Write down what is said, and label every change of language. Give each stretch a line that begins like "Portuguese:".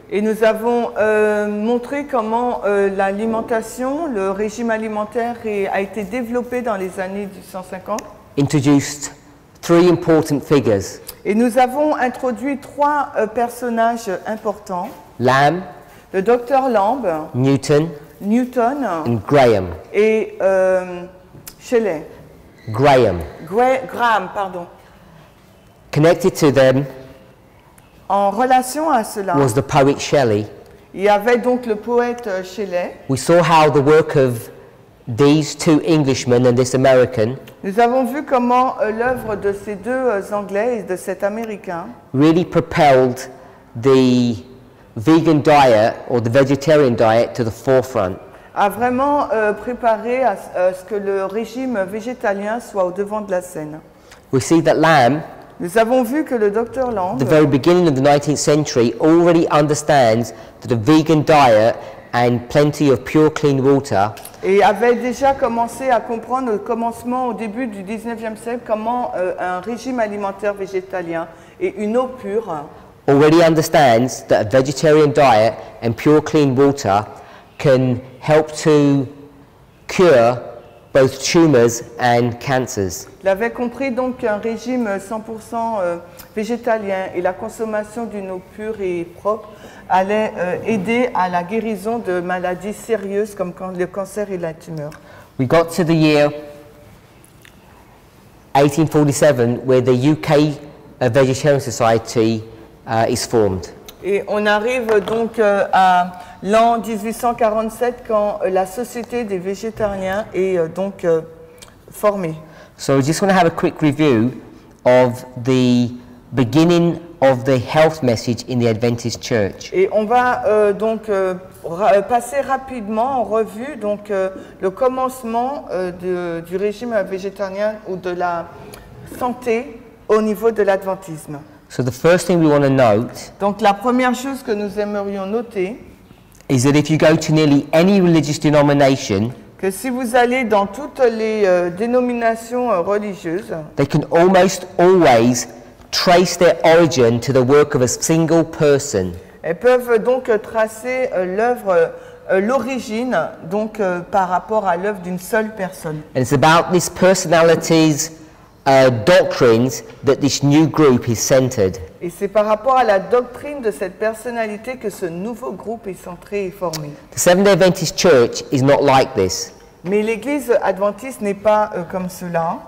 French: Et nous avons montré comment l'alimentation, le régime alimentaire a été développé dans les années 1850.
English: Introduced three important figures.
French: Et nous avons introduit trois personnages importants.
English: Lamb.
French: Le docteur Lamb.
English: Newton. And Graham.
French: Et Shelley.
English: Graham. Connected to them.
French: En relation à cela,
English: was the poet Shelley.
French: Il y avait donc le poète Shelley.
English: We saw how the work of these two Englishmen and this American.
French: Nous avons vu comment l'œuvre de ces deux Anglais et de cet Américain
English: really propelled the vegan diet or the vegetarian diet to the forefront.
French: A vraiment préparé à ce que le régime végétalien soit au devant de la scène.
English: We see that Lamb.
French: Nous avons vu que le Dr. Lamb,
English: the very beginning of the 19th century, already understands that a vegan diet and plenty of pure, clean water.
French: Et avait déjà commencé à comprendre au commencement, au début du 19e siècle, comment un régime alimentaire végétalien et une eau pure.
English: Already understands that a vegetarian diet and pure, clean water can help to cure both tumors and cancers.
French: Il avait compris donc qu'un régime 100% végétalien et la consommation d'une eau pure et propre allait aider à la guérison de maladies sérieuses comme le cancer et la tumeur.
English: We got to the year 1847 where the UK Vegetarian Society is formed.
French: Et on arrive donc à l'an 1847 quand la Société des végétariens est donc formée.
English: So I just want to have a quick review of the beginning of the health message in the Adventist Church.
French: Et on va donc passer rapidement en revue donc le commencement du régime végétarien ou de la santé au niveau de l'adventisme.
English: So the first thing we want to note.
French: Donc la première chose que nous aimerions noter
English: is that if you go to nearly any religious denomination.
French: Que si vous allez dans toutes les dénominations religieuses,
English: they can almost always trace their origin to the work of a single person.
French: Elles peuvent donc tracer l'œuvre, l'origine, donc par rapport à l'œuvre d'une seule personne.
English: And it's about this personality's doctrines that this new group is centered.
French: Et c'est par rapport à la doctrine de cette personnalité que ce nouveau groupe est centré et formé.
English: The Seventh-day Adventist Church is not like this.
French: Mais l'Église adventiste n'est pas comme cela.